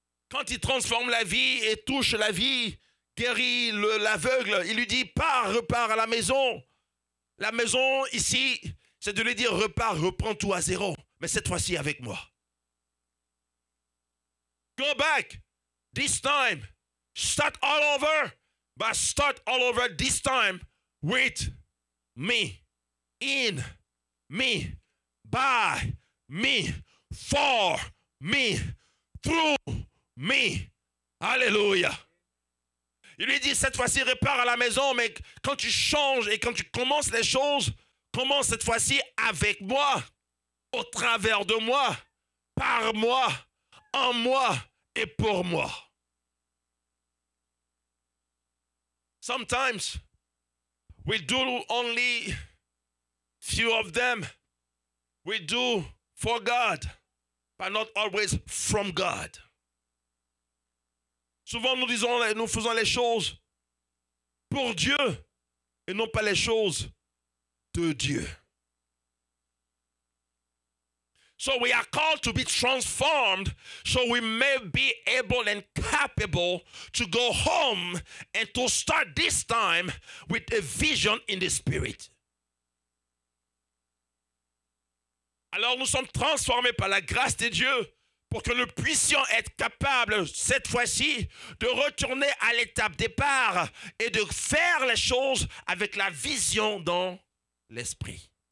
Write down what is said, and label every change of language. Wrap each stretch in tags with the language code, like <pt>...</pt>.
<fr>Quand il transforme la vie et touche la vie, guérit l'aveugle, il lui dit, pars, repars à la maison. La maison ici, c'est de lui dire, repars, reprends tout à zéro, mais cette fois-ci avec moi.</fr> <en>Go back, this time, start all over, but start all over this time with me, in me, by me, for me, through me.</en> <fr>Alléluia. Il lui dit, cette fois-ci, repars à la maison, mais quand tu changes et quand tu commences les choses, commence cette fois-ci avec moi, au travers de moi, par moi, en moi et pour moi.</fr> <en>Sometimes, we do only few of them. We do for God, but not always from God.</en> <fr>Souvent, nous disons, nous faisons les choses pour Dieu et non pas les choses de Dieu.</fr> <en>So we are called to be transformed so we may be able and capable to go home and to start this time with a vision in the spirit.</en> <fr>Alors, nous sommes transformés par la grâce de Dieu pour que nous puissions être capables, cette fois-ci, de retourner à l'étape départ et de faire les choses avec la vision dans l'esprit.</fr>